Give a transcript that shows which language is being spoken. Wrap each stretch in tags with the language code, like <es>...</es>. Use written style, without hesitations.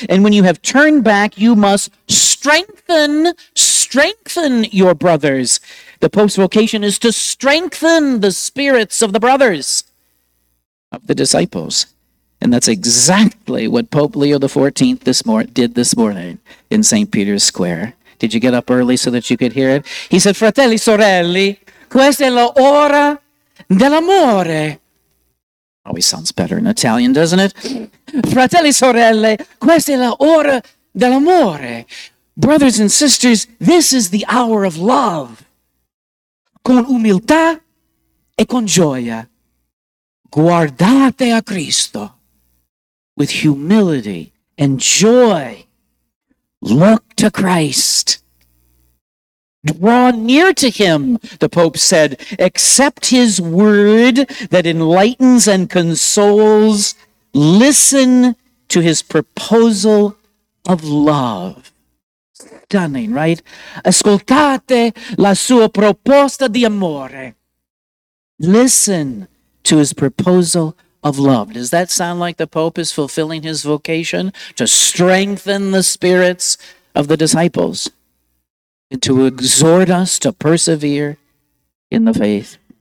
<en>And when you have turned back, you must strengthen your brothers. The Pope's vocation is to strengthen the spirits of the brothers, of the disciples. And that's exactly what Pope Leo XIV did this morning in St. Peter's Square. Did you get up early so that you could hear it? He said,</en> <it>Fratelli, sorelli, questa è l'ora dell'amore.</it> <en>Always sounds better in Italian, doesn't it?</en> <it>Fratelli, sorelle, questa è l'ora dell'amore.</it> <en>Brothers and sisters, this is the hour of love.</en> <it>Con umiltà e con gioia. Guardate a Cristo.</it> <en>With humility and joy, look to Christ. Draw near to him, the Pope said. Accept his word that enlightens and consoles. Listen to his proposal of love. Stunning, right?</en> <it>Ascoltate la sua proposta di amore.</it> <en>Listen to his proposal of love. Does that sound like the Pope is fulfilling his vocation to strengthen the spirits of the disciples and to exhort us to persevere in the faith?</en>